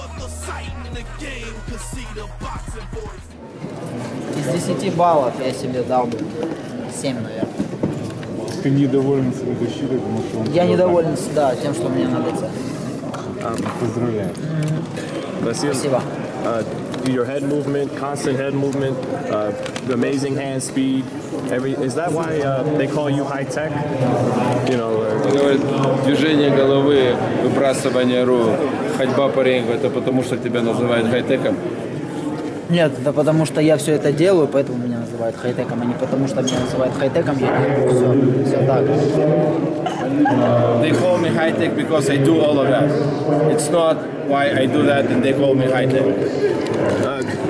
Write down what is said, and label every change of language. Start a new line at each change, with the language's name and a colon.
English: exciting in the game, cause see the boxing voice.
Russian: Из 10 баллов я себе дал бы 7, наверное. Ты недоволен своей защитой, потому что он... Я недоволен, так. Да, тем, что мне надо цель. Поздравляю. Спасибо. Спасибо.
English: Your head movement, constant head movement, amazing hand speed. Is that why they call you high tech? You know,
Russian: движение головы, выбрасывание рук, ходьба по рингу, это потому что тебя называют хай-теком? Нет, это потому что я все это делаю, поэтому меня называют хай-теком, а не потому что меня называют хай-теком, я делаю все, все так.
English: They call me high tech because I do all of that. It's not why I do that and they call me high tech.